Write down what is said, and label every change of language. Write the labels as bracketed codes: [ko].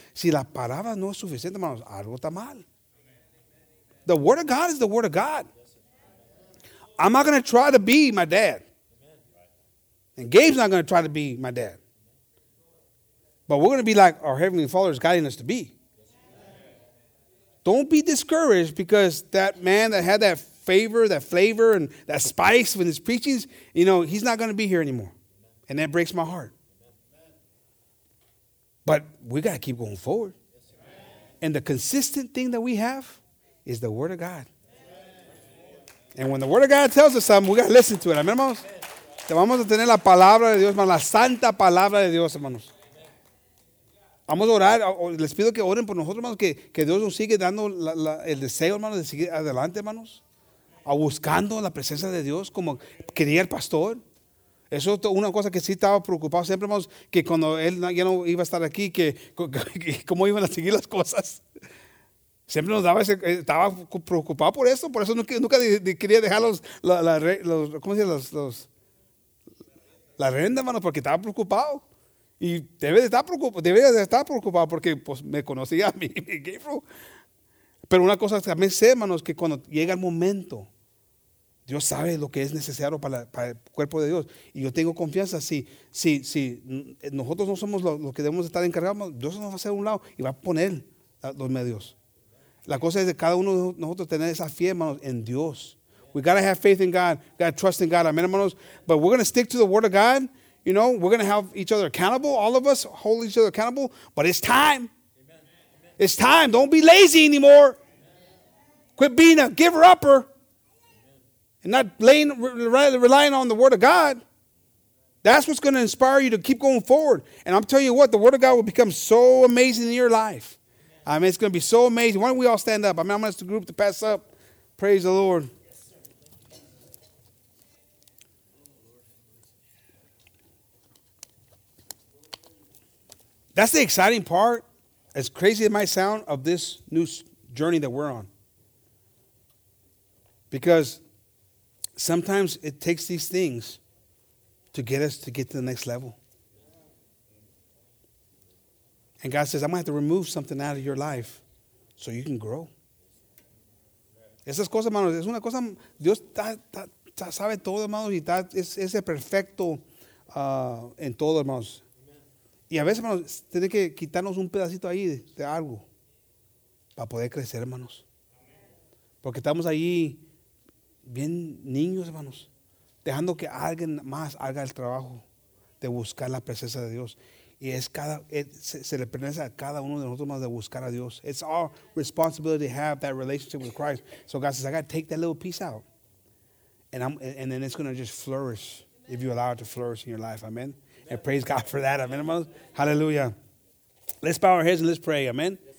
[es] Si la palabra no es suficiente, hermanos, algo está mal. [en] The word of God is the word of God. I'm not going to try to be my dad. And Gabe's not going to try to be my dad. But we're going to be like our Heavenly Father is guiding us to be. Don't be discouraged because that man that had that favor, that flavor, and that spice when his preachings, you know, he's not going to be here anymore. And that breaks my heart. But we got to keep going forward. And the consistent thing that we have is the Word of God. And when the Word of God tells us something, we got to listen to it. Amen, hermanos? [es] Te vamos a tener la palabra de Dios, hermanos. La santa palabra de Dios, hermanos. Vamos a orar, les pido que oren por nosotros, hermanos, que Dios nos sigue dando el deseo, hermanos, de seguir adelante, hermanos, a buscando la presencia de Dios como quería el pastor. Eso es una cosa que sí estaba preocupado siempre, hermanos, que cuando él ya no iba a estar aquí, que cómo iban a seguir las cosas. Siempre nos daba ese, estaba preocupado por eso, por eso nunca quería dejar los ¿cómo se dice? La renta, hermano, porque estaba preocupado. Y debe de estar preocupado porque pues, me conocía a mí, mi hijo. Pero una cosa también sé, hermanos, que cuando llega el momento, Dios sabe lo que es necesario para el cuerpo de Dios. Y yo tengo confianza, si nosotros no somos los que debemos estar encargados, Dios nos va a hacer a un lado y va a poner los medios. La cosa es de cada uno de nosotros tener esa fe, hermanos, en Dios. [en] We gotta have faith in God. Gotta trust in God. Amen, hermanos. But we're gonna stick to the word of God. You know, we're gonna have each other accountable. All of us hold each other accountable. But it's time. Amen. It's time. Don't be lazy anymore. Amen. Quit being a giver upper. And not relying on the word of God. That's what's gonna inspire you to keep going forward. And I'm telling you what, the word of God will become so amazing in your life. I mean, it's going to be so amazing. Why don't we all stand up? I mean, I'm going to ask the group to pass up. Praise the Lord. That's the exciting part, as crazy as it might sound, of this new journey that we're on. Because sometimes it takes these things to get us to get to the next level. And God says, I'm going to have to remove something out of your life so you can grow. [es] Esas cosas, hermanos, es una cosa. Dios sabe todo, hermanos, y es el perfecto en todo, hermanos. Y a veces, hermanos, tiene que quitarnos un pedacito ahí de algo para poder crecer, hermanos. Porque estamos ahí bien niños, hermanos, dejando que alguien más haga el trabajo de buscar la presencia de Dios. Y es cada, se le pertenece a cada uno de nosotros más de buscar a Dios. [en] It's our responsibility to have that relationship with Christ. So God says, I got to take that little piece out. And then it's going to just flourish if you allow it to flourish in your life. Amen. And praise God for that. Amen. Hallelujah. Let's bow our heads and let's pray. Amen.